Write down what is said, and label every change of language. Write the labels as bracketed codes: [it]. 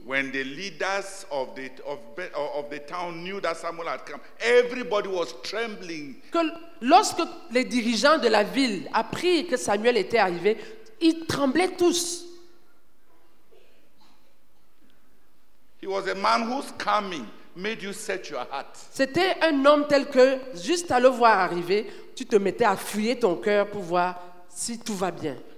[en] when the leaders of the town knew that Samuel had come, everybody was trembling. [fr] Que lorsque les dirigeants de la ville apprirent que Samuel était arrivé, ils tremblaient tous. [en] He was a man whose coming made you set your heart. [fr] C'était un homme tel que juste à le voir arriver, tu te mettais à fouiller ton cœur pour voir si tout va bien.